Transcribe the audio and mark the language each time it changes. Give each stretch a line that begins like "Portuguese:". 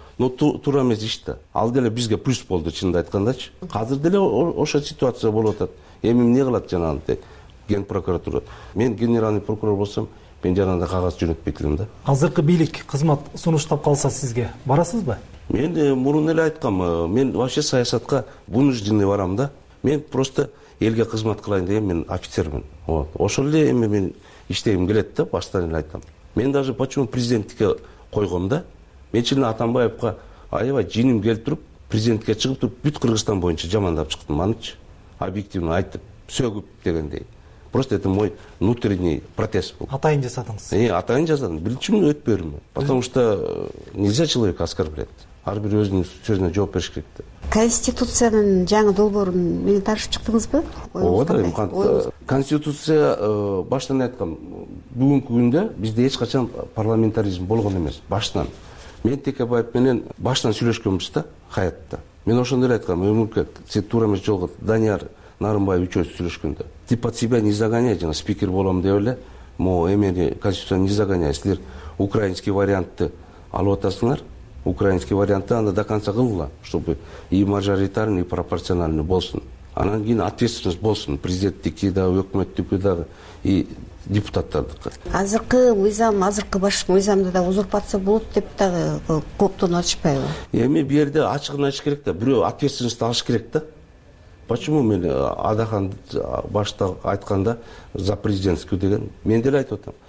Kyrgyz: Но туура эмес иш да. Ал деле бизге плюс болду чынында айткандачы. Азыр деле ошо ситуация болуп атат. Эми эмне кылат жанагындай генпрокуратура? Мен генеральный прокурор болсом, мен жанагындай кагаз жөнөтпөйт элем да. Азыркы бийлик кызмат сунуштап калса сизге барасызбы? Мен мурун эле айткам, мен вообще саясатка вынужденный барам да. Мен просто элге кызмат кылайын деген мен офицермин. Вот. Ошол эле эми мен иштегим келет да, баштан эле айтам. Мен
Russian: даже почему
Kyrgyz: президенттикке койгом да. Мен чын эле Атамбаевга аябай жиним келип туруп, президентке чыгып туруп, бүт Кыргызстан боюнча жамандап чыктым анычы. Объективно айтып, сөгүп дегендей.
Russian: Просто это мой внутренний протест был.
Kyrgyz: Атайын жасадыңыз? Атайын жасадым. Биринчи мен өтпөйүм.
Russian: Потому что нельзя человека оскорблять.
Kyrgyz: Ар бир өзүнүн сөзүнө жооп бериш керек да. Конституциянын жаңы долбоорун менен таанышып чыктыңызбы? Ооба да, конституция баштан айткам, бүгүнкү күндө бизде эч качан парламентаризм болгон эмес баштан. Мен Текебаев менен баштан сүйлөшкөнбүз да Хаятта. Мен ошондо эле айткам, Өмүркөт, сен туура эмес жолго Данияр Нарымбаев үчөөбүз сүйлөшкөндө.
Russian: Ты под себя не загоняй,
Kyrgyz: жана спикер болом деп эле
Russian: могу эмени конституцияны не загоняй.
Kyrgyz: Силер украинский вариантты алып атасыңар. Украинский вариантты аны
Russian: до конца
Kyrgyz: кылгыла,
Russian: чтобы и мажоритарный, и пропорциональный
Kyrgyz: болсун. Анан кийин ответственность болсун президенттики дагы, өкмөттүкү дагы и депутаттардыкы. Азыркы мыйзам, азыркы баш мыйзамда да узурпация болот деп дагы кооптонуп атышпайбы? Эми бирде ачыгын айтыш керек да, бирөө ответственность алыш керек да. Почему мен Адахан башта айтканда
Russian: за президентскую
Kyrgyz: деген мен деле айтып атам.